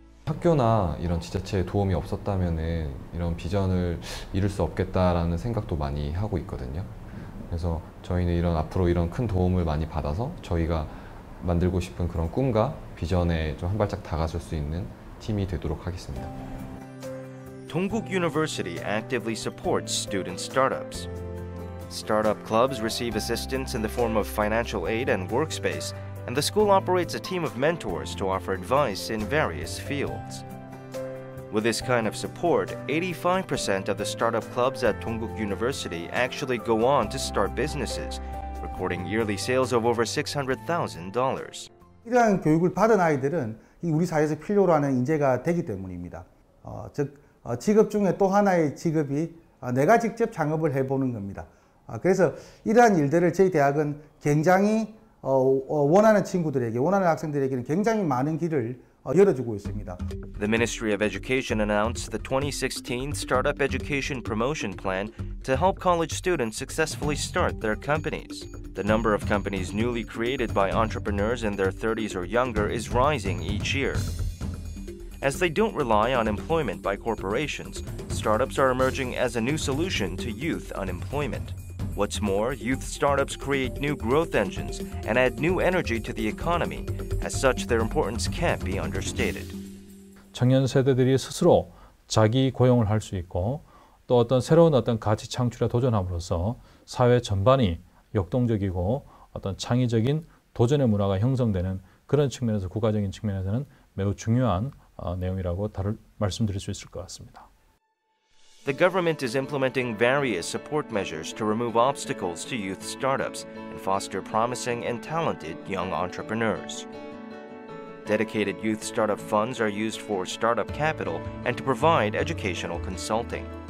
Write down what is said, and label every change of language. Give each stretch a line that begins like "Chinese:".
Korean: 학교나 이런 지자체의 도움이 없었다면은 이런 비전을 이룰 수 없겠다라는 생각도 많이 하고 있거든요. 그래서 저희는 이런 앞으로 이런 큰 도움을 많이 받아서 저희가 만들고 싶은 그런 꿈과 비전에 좀 한 발짝 다가설 수 있는 팀이 되도록 하겠습니다.
English: Dongguk University actively supports student startups. Startup clubs receive assistance in the form of financial aid and workspace, and the school operates a team of mentors to offer advice in various fields. With this kind of support, 85% of the startup clubs at Dongguk University actually go on to start businesses, recording yearly sales of over $600,000.
Korean: 이러한 교육을 받은 아이들은 우리 사회에서 필요로 하는 인재가 되기 때문입니다. 직업 중에 또 하나의 직업이 내가 직접 창업을 해보는 겁니다. 그래서 이러한 일들을 저희 대학은 굉장히 원하는 친구들에게, 원하는 학생들에게는 굉장히 많은 길을 열어주고 있습니다.
English: The Ministry of Education announced the 2016 Startup Education Promotion Plan to help college students successfully start their companies. The number of companies newly created by entrepreneurs in their 30s or younger is rising each year. As they don't rely on employment by corporations, startups are emerging as a new solution to youth unemployment. What's more, youth startups create new growth engines and add new energy to the economy. As such, their importance can't be understated.
Korean: 청년 세대들이 스스로 자기 고용을 할 수 있고 또 어떤 새로운 어떤 가치 창출에 도전함으로써 사회 전반이 역동적이고 어떤 창의적인 도전의 문화가 형성되는 그런 측면에서 국가적인 측면에서는 매우 중요한 내용이라고 말씀드릴 수 있을 것 같습니다.
English: The government is implementing various support measures to remove obstacles to youth startups and foster promising and talented young entrepreneurs. Dedicated youth startup funds are used for startup capital and to provide educational consulting.